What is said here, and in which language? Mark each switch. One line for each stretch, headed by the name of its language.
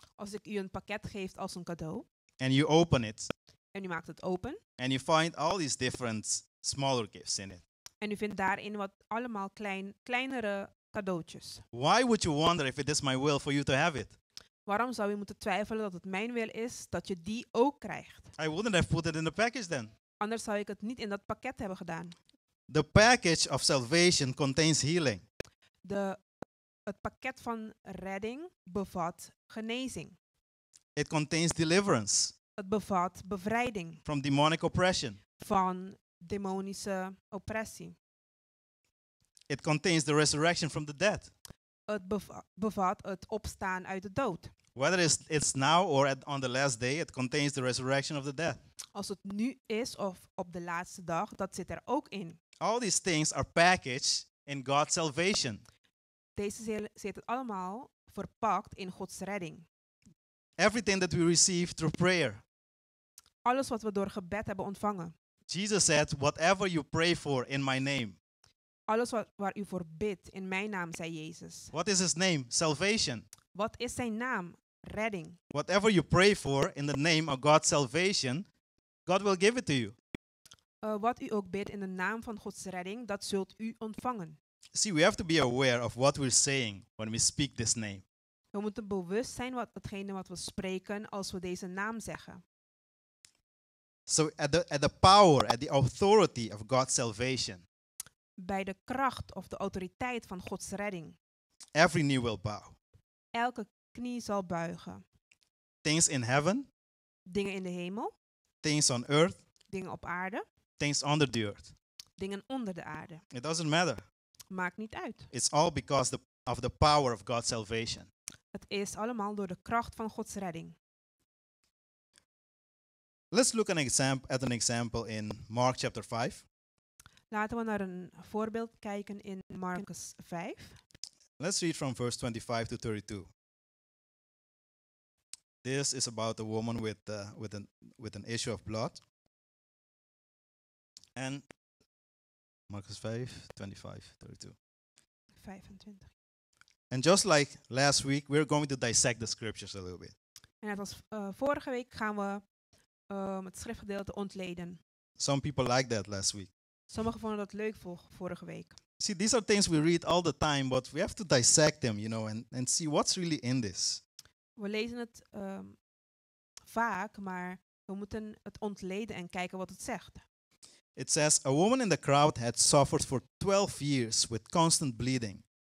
Dutch: Als ik u een pakket geef als een cadeau.
English: And you open it.
Dutch: En u maakt het open.
English: And you find all these different smaller gifts in it.
Dutch: En u vindt daarin wat allemaal kleinere cadeautjes.
English: Why would you wonder if it is my will for you to have it?
Dutch: Waarom zou u moeten twijfelen dat het mijn wil is dat je die ook krijgt?
English: I wouldn't have put it in the package then.
Dutch: Anders zou ik het niet in dat pakket hebben gedaan.
English: The package of salvation contains healing.
Dutch: Het pakket van redding bevat genezing.
English: It contains deliverance.
Dutch: Het bevat bevrijding.
English: From demonic oppression.
Dutch: Van demonische oppressie.
English: It contains the resurrection from the dead.
Dutch: Het bevat het opstaan uit de dood.
English: Whether it's now or on the last day, it contains the resurrection of the dead.
Dutch: Als het nu is of op de laatste dag, dat zit er ook in.
English: All these things are packaged in God's salvation.
Dutch: Deze zitten allemaal verpakt in Gods redding.
English: Everything that we receive through prayer.
Dutch: Alles wat we door gebed hebben ontvangen.
English: Jesus said, whatever you pray for in my name.
Dutch: Alles wat waar u voor bidt in mijn naam, zei Jezus.
English: What is his name? Salvation.
Dutch: Wat is zijn naam? Redding.
English: Whatever you pray for in the name of God's salvation, God will give it to you.
Dutch: Wat u ook bidt in de naam van Gods redding, dat zult u ontvangen.
English: See, we have to be aware of what we're saying when we speak this name.
Dutch: We moeten bewust zijn wat hetgene wat we spreken als we deze naam zeggen.
English: So at the power, at the authority of God's salvation.
Dutch: Bij de kracht of de autoriteit van Gods redding.
English: Every knee will bow.
Dutch: Elke knie zal buigen.
English: Things in heaven.
Dutch: Dingen in de hemel.
English: Things on earth.
Dutch: Dingen op aarde.
English: Things under the earth.
Dutch: Dingen onder de aarde.
English: It doesn't matter.
Dutch: Maakt niet uit.
English: It's all because of the power of God's salvation.
Dutch: Het is allemaal door de kracht van Gods redding.
English: Let's look at an example in Mark chapter 5.
Dutch: Laten we naar een voorbeeld kijken in Marcus 5.
English: Let's read from verse 25 to 32. This is about a woman with an issue of blood. And Marcus 5:25-32. And just like last week, we're going to dissect the scriptures a little bit.
Dutch: En net als vorige week gaan we het schriftgedeelte ontleden.
English: Some people like that last week.
Dutch: Sommigen vonden dat leuk vorige week.
English: See, these are things we read all the time, but we have to dissect them, you know, and see what's really in this.
Dutch: We lezen het vaak, maar we moeten het ontleden en kijken wat het zegt.
English: It says, a woman in the crowd had suffered for 12 years with constant bleeding.